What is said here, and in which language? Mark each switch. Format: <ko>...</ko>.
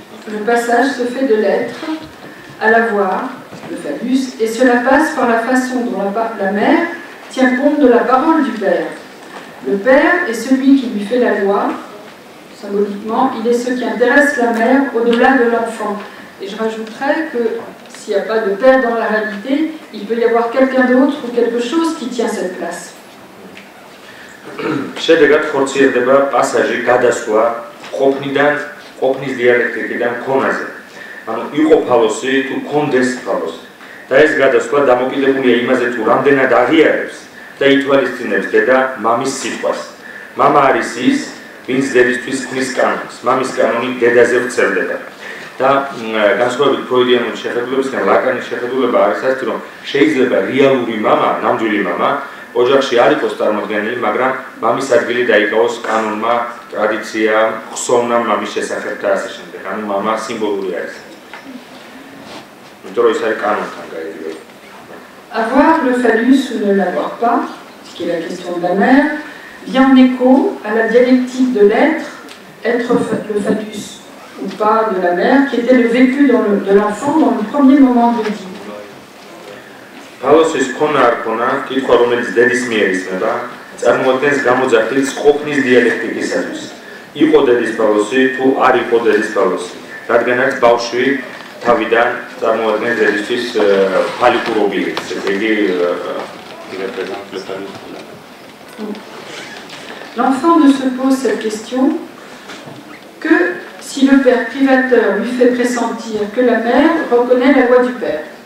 <fr>Le passage se fait de l'être à la voix, le phallus, et cela passe par la façon dont la mère tient compte de la parole du père. Le père est celui qui lui fait la loi, symboliquement, il est ce qui intéresse la mère au-delà de l'enfant. Et je rajouterais que s'il n'y a pas de père dans la réalité, il peut y avoir quelqu'un d'autre ou quelque chose qui tient cette place.</fr> <ka>შედეგად ხორციელდება პასაჟი გადასვლა ყოფნიდან ყოფნის დიალექტიკიდან ქონაზე. ანუ იყო ფალოსი თუ ქონდეს ფალოსი. და ეს გადასვლა დამოკიდებულია იმაზე თუ რამდენად აღიარებს და ითვალისწინებს დედა მამის სიტყვას. მამა არის ის, ვინც დედისთვის ქმნის კანონს. მამის კანონი დედაზე ვრცელდება. და განსხვავებით ფროიდიანული შეხედულებისგან, ლაკანის შეხედულება არის ასეთი, რომ შეიძლება რეალური მამა, ნამდვილი მამა ოჯახში არ იყოს წარმოდგენილი, მაგრამ მამის ადგილი დაიკავოს კანონმა, ტრადიციამ, ხსოვნამ მამის შესახებ და ასე შემდეგ. ანუ მამა სიმბოლური არის. იმიტომ რომ ეს არის კანონთან გაერთიანებული.</ka> <fr>Avoir le phallus ou ne l'avoir pas, ce qui est la question de la mère, vient en écho à la dialectique de l'être, être le phallus ou pas de la mère, qui était le vécu de l'enfant dans le premier moment de vie.</fr> <ka>ფალოსის ქონა არ ქონა, კითხვა რომელიც დედის მიერ ისმება, წარმოადგენს გამოძახილს ყოფნის დიალექტიკისათვის. იყო დედის ფალოსი თუ არ იყო დედის ფალოსი, რადგანაც ბავშვი თავიდან წარმოადგენს დედისთვის ფალიკურ ობიექტს, ესე იგი</ka> <fr>L'enfant ne se pose cette question que si le père privateur lui fait pressentir que la mère reconnaît la voix du père.</fr>